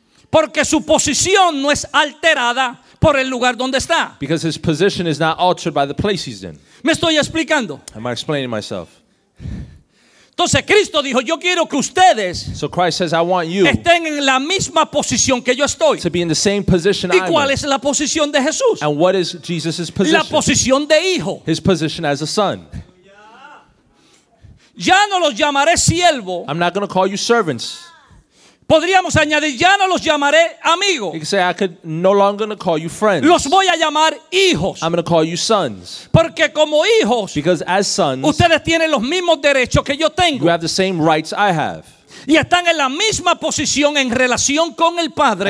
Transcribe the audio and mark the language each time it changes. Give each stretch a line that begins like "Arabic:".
Spanish: Porque su posición no es alterada por el lugar donde está.
English: Because his position is not altered by the place he's in.
Spanish: ¿Me estoy explicando?
English: Am I explaining myself?
Spanish: Entonces Cristo dijo, yo quiero que ustedes
English: so Christ says, I want you
Spanish: estén en la misma posición que yo estoy.
English: To be in the same position
Spanish: ¿Y cuál es la posición de Jesús?
English: And what is Jesus's position?
Spanish: La posición de hijo.
English: His position as a son.
Spanish: Ya no los llamaré siervo.
English: I'm not going to call you servants.
Spanish: Podríamos añadir, ya no los llamaré amigos.
English: You can say, I could no longer gonna call you friends.
Spanish: Los voy a llamar hijos.
English: I'm going to call you sons.
Spanish: Porque como hijos,
English: because as sons,
Spanish: ustedes tienen los mismos derechos que yo tengo.
English: You have the same rights I have.
Spanish: Y están en la misma posición en relación con el Padre.